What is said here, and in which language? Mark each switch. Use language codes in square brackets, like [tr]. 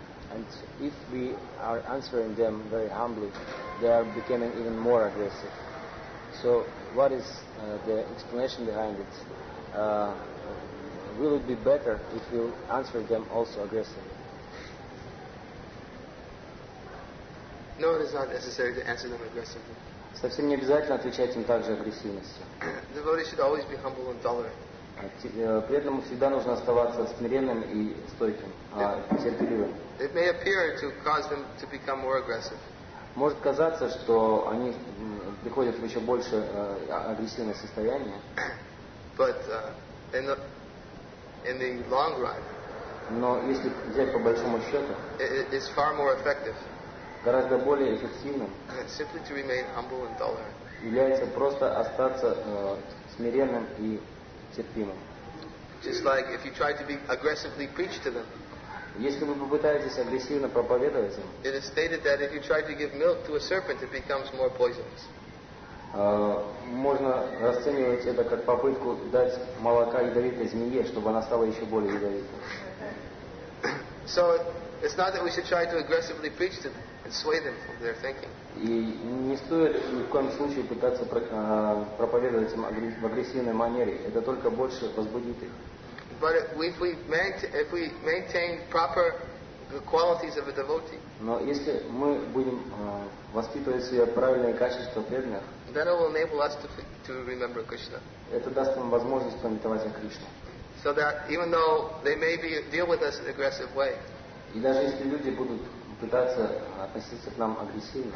[en] And if we are answering them very humbly, they are becoming even more aggressive. So what is the explanation behind it? Will it be better if we answer them also aggressively? No, it is not necessary to answer them aggressively. [ru] Совсем не обязательно отвечать им также агрессивностью. [en] Devotees should always be humble and tolerant. [ru] При этом всегда нужно оставаться смиренным и стойким, терпеливым. [en] It may appear to cause them to become more aggressive. [ru] Может казаться, что они приходят в еще больше агрессивное состояние. [en] But in the long run. [ru] Но если взять по большому счету, [en] it's far more effective. [ru] Гораздо более эффективным. [en] Simply to remain humble and tolerant. [ru] Является просто остаться смиренным и терпимым. [en] Just like if you try to be aggressively preach to them. [ru] Если вы попытаетесь агрессивно проповедовать им. [en] It is stated that if you try to give milk to a serpent, it becomes more poisonous. [ru] Можно расценивать это как попытку дать молока ядовитой змее, чтобы она стала еще более ядовитой. [en] So it's not that we should try to aggressively preach to them and sway them from their thinking. [ru] И не стоит ни в коем случае пытаться проповедовать им в агрессивной манере. Это только больше возбудит их. [en] But if we maintain proper qualities of a devotee. [ru] Но если мы будем воспитывать себе правильные качества преданных. [en] Then it will enable us to remember Krishna. [ru] Это даст нам возможность памятовать о Кришне. [en] So that even though they may be deal with us in an aggressive way. [ru] И даже если люди будут пытаться относиться к нам агрессивно.